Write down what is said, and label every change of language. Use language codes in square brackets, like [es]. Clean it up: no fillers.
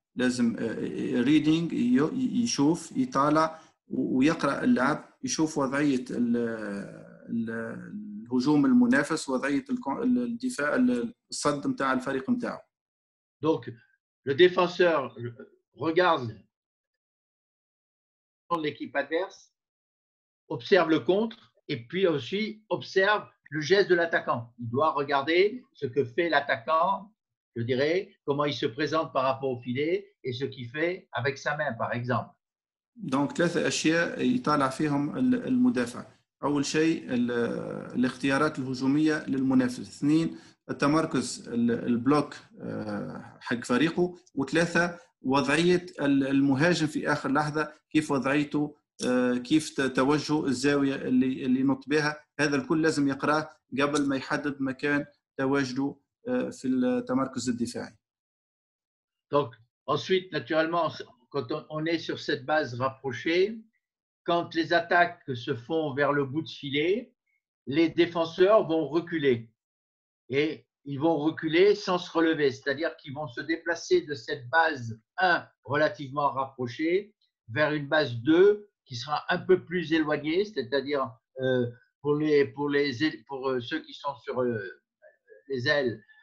[ar] لازم [en] reading, [ar] يشوف, يطالع ويقرأ اللعب يشوف وضعية الهجوم المنافس وضعية الدفاع الصد متاع الفريق متاعه. [fr] Donc le défenseur regarde l'équipe adverse, observe le contre et puis aussi observe le geste de l'attaquant. Il doit regarder ce que fait l'attaquant, je dirais, comment il se présente par rapport au filet et ce qu'il fait avec sa main, par exemple. [ar] دونك ثلاثة أشياء يطالع فيهم المدافع أول شيء الاختيارات الهجومية للمنافس اثنين التمركز البلوك حق فريقه وثلاثة وضعية المهاجم في آخر لحظة كيف وضعيته كيف توجه الزاوية اللي ينط بها هذا الكل لازم يقرأه قبل ما يحدد مكان تواجده في التمركز الدفاعي [fr] دونك ensuite naturellement quand on est sur cette base rapprochée, quand les attaques se font vers le bout de filet, les défenseurs vont reculer. Et ils vont reculer sans se relever, c'est-à-dire qu'ils vont se déplacer de cette base 1 relativement rapprochée vers une base 2 qui sera un peu plus éloignée, c'est-à-dire pour ceux qui sont sur les ailes.